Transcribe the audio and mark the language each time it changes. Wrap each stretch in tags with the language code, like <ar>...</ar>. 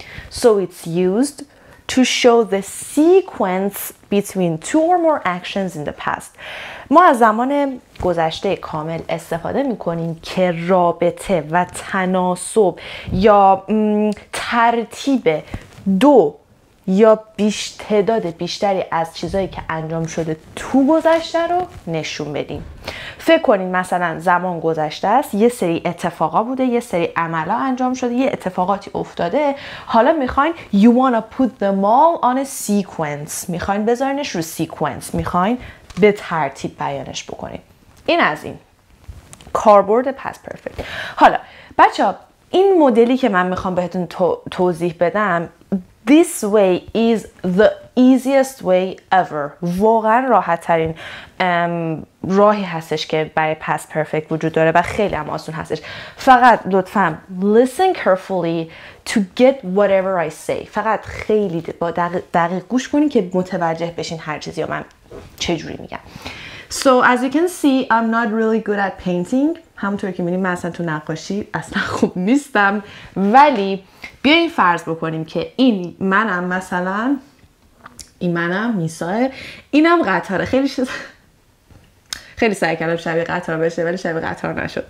<en>So it's used to show the sequence between two or more actions in the past.</en> <fa>ما از زمان گذشته کامل استفاده میکنیم که رابطه و تناسب یا ترتیب دو یا تعداد بیشتری از چیزایی که انجام شده تو گذشته رو نشون بدیم. فکر کنین مثلا زمان گذشته است، یه سری اتفاقا بوده، یه سری عملا انجام شده، یه اتفاقاتی افتاده، حالا میخواین</fa> <en>you wanna put them all on a sequence،</en> <fa>میخواین بذارینش رو sequence، میخواین به ترتیب بیانش بکنین. این از این کاربرد past perfect. حالا بچه ها این مدلی که من میخوام بهتون توضیح بدم،</fa> <en>this way is the easiest way ever.</en> <fa>واقعا راحت ترین راهی هستش که برای past perfect وجود داره و خیلی هم آسون هستش. فقط لطفا</fa> <en>listen carefully to get whatever I say.</en> <fa>فقط خیلی با دقیق گوش کنین که متوجه بشین هر چیزی رو من چجوری میگم.</fa> <en>So as you can see I'm not really good at painting.</en> <fa>همونطور که میبینیم من اصلا تو نقاشی اصلا خوب نیستم، ولی بیاین فرض بکنیم که این منم، مثلا این منم میساه، اینم قطاره. خیلی شد خیلی سعی کردم شبیه قطار بشه ولی شبیه قطار نشد.</fa>